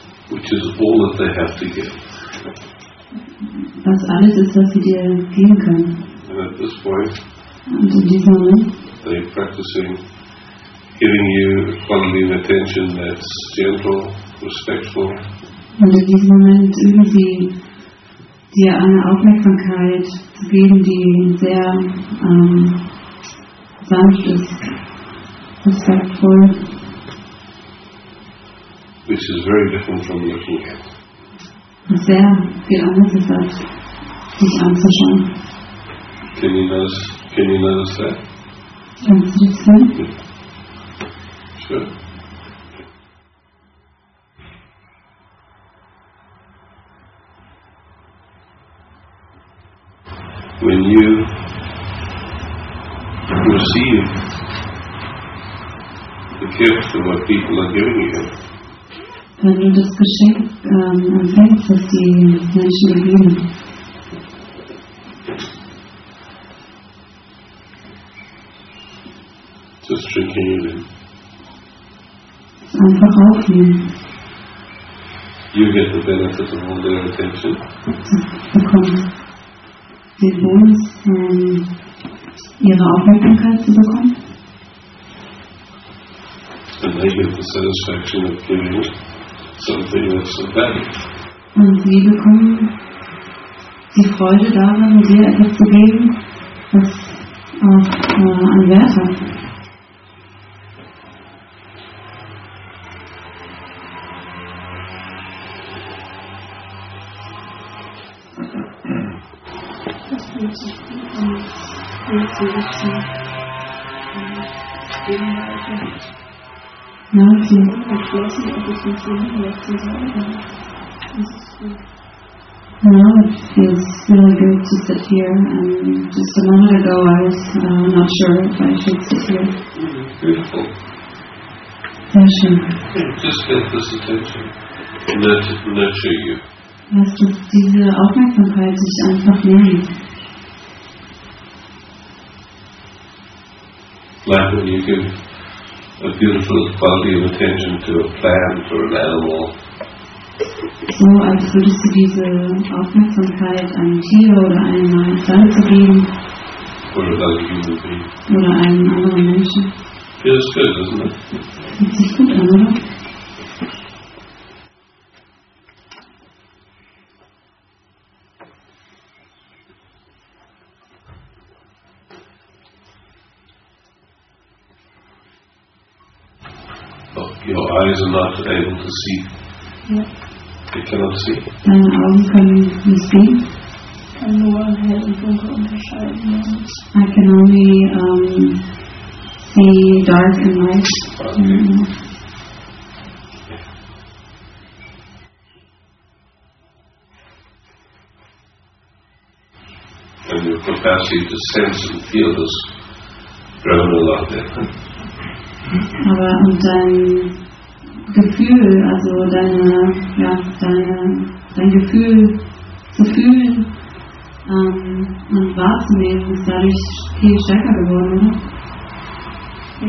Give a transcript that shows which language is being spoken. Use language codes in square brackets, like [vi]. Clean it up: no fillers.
[en] Which is all that they have to give. [de] Was alles ist, was sie dir geben können. [en] And at this point, [de] und in diesem Moment, [en] they're practicing giving you quality of attention that's gentle, respectful. [de] Und in diesem Moment üben sie dir eine Aufmerksamkeit zu geben, die sehr sanft ist, respektvoll. [en] Which is very different from looking at. [de] Sehr viel anders ist das, dich anzuschauen. [en] Can you notice that? [de] Kannst du das sehen? [en] Sure. When you receive the gift of what people are giving you, [de] wenn du das Geschenk empfängst, das die Menschen dir geben. [en] Just drinking it in. [de] Einfach aufnehmen. [en] You get the benefit of all their attention. [de] Du bekommst den Bonus, ihre Aufmerksamkeit zu bekommen. [en] And they get the satisfaction of giving it. Something that's a value. [de] Und sie bekommen die Freude daran, dir etwas zu geben, was auch einen Wert hat. Das fühlt sich gut an, das fühlt sich gut an, das fühlt sich gut an. ich bin entschlossen, ob ich mich hier hinweg zu sein kann. Das ist gut. [en] Ja, it feels really good to sit here. And just a moment ago, I was not sure if I should sit here. Beautiful. [de] Sehr schön. [en] Just get this attention. Let it nurture you. [de] Lass uns diese Aufmerksamkeit sich einfach nehmen. [en] like when you give a beautiful quality of attention to a plant or an animal. [de] So, als würdest du diese Aufmerksamkeit einem Tier oder einem Pflanze geben? Oder einem [en] human being. [de] Oder einem anderen Menschen? [en] Feels good, doesn't it? [de] Fühlt sich gut an, oder? [en] Your eyes are not able to see. Yeah. They cannot see. [de] Deine Augen können nicht sehen. Ich kann nur hell und dunkel unterscheiden. [en] I can only see dark and light. Mm-hmm. And your capacity to sense and feel has grown a lot there. [de] Aber und dein Gefühl, also dein Gefühl zu fühlen und wahrzunehmen, ist dadurch viel stärker geworden, oder?